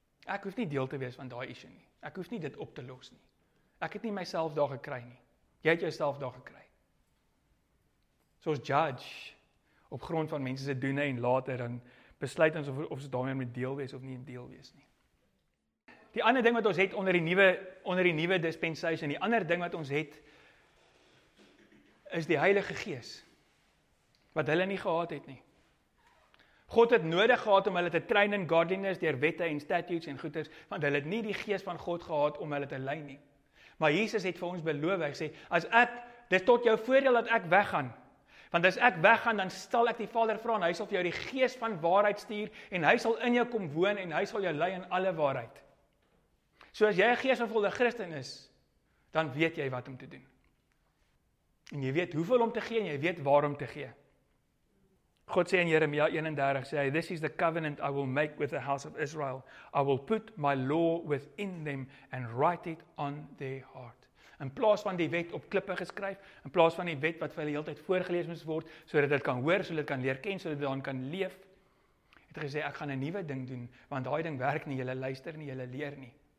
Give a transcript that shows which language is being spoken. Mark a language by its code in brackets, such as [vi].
[af] Ek hoef nie deel te wees van daai issue nie. Ek hoef nie dit op te los nie. Ek het nie myself daar gekry nie. Jy het jouself daar gekry. So ons judge, op grond van mense se doene en later, dan besluit ons of ons daarmee moet deel wees of nie deel wees nie. Die ander ding wat ons het onder die nuwe dispensation, die ander ding wat ons het, is die Heilige Gees. Wat hulle nie gehad het nie. God het nodig gehad om hulle te train in godliness deur wette en statutes en goeders, want hulle het nie die gees van God gehad om hulle te lei nie. Maar Jesus het vir ons beloof, hy sê, as ek, dis tot jou voordeel dat ek weggaan, want as ek weggaan, dan sal ek die Vader vra, en hy sal vir jou die gees van waarheid stuur, en hy sal in jou kom woon, en hy sal jou lei in alle waarheid. So as jy 'n geesvervulde Christen is, dan weet jy wat om te doen. En jy weet hoeveel om te gee, en jy weet waarom te gee. God sê in Jeremia 31, sê hy, [en] this is the covenant I will make with the house of Israel. I will put my law within them and write it on their heart. [af] In plaas van die wet op klippe geskryf, in plaas van die wet wat vir hulle heeltyd voorgelees moes word, so dat hulle kan hoor, so dat hulle kan leer ken, so dat hulle dan kan leef, het gesê, ek gaan 'n nuwe ding doen, want daai ding werk nie, julle luister nie, julle leer nie.